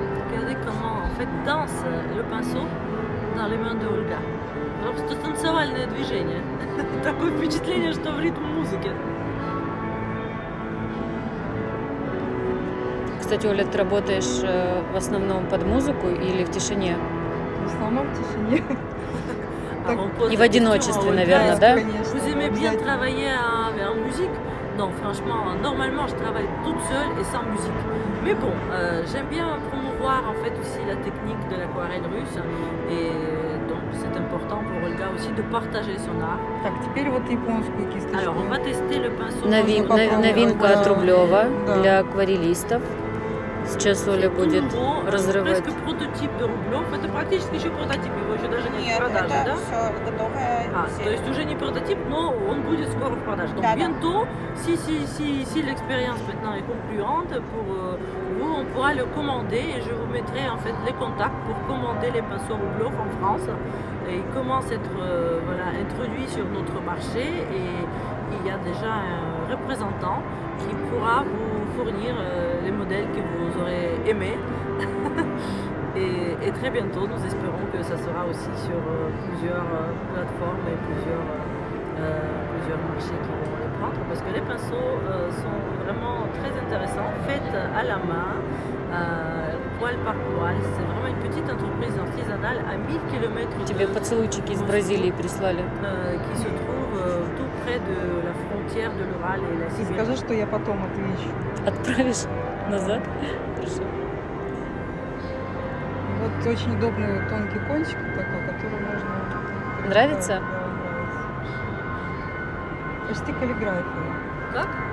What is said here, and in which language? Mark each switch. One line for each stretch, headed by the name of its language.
French: Regardez comment en fait danse le pinceau dans les mains de Olga.
Russian: Просто танцевальное движение. Такое впечатление, что в ритм музыки. Кстати, Оля, ты работаешь в основном под музыку или в тишине? В основном в тишине. Так, и в одиночестве, наверное, да? Конечно.
French: Vous aimez bien travailler avec la musique? Non, franchement, normalement, je travaille toute seule et sans musique. Mais bon, j'aime bien promouvoir en fait aussi la technique de l'aquarelle russe. Et donc, c'est important pour Olga aussi de partager son art.
Russian: Так, теперь вот японскую кисточку.
French: Alors, on va tester le pinceau.
Russian: Новинка от Рублёва для акварелистов. Сейчас Оля будет разрывать. Это прототип до Рублёв. Это практически еще прототип, его еще даже нет в продаже, да? Нет, это все готовое. То есть уже не прототип, но он будет скоро в продаже.
French: Donc bientôt, si l'expérience maintenant est concluante, pour vous, on pourra le commander et je vous mettrai en fait les contacts pour commander les pinceaux Рублёв en France. Et ils commencent à être introduits sur notre marché et il y a déjà un représentant qui pourra vous fournir les modèles que vous aurez aimés et très bientôt nous espérons que ça sera aussi sur plusieurs plateformes et plusieurs marchés qui vont les prendre parce que les pinceaux sont vraiment très intéressants, faits à la main, poil par poil, c'est vraiment une petite entreprise artisanale à 1000 km
Russian: Тебе поцелуйчики из Бразилии прислали.
French: Qui se trouve tout près de la frontière de l'Ural et la Sibérie.
Russian: Скажи, что я потом отвечу. Отправишь назад? Хорошо. Вот очень удобный тонкий кончик такой, который можно... Нравится? Почти каллиграфия. Как?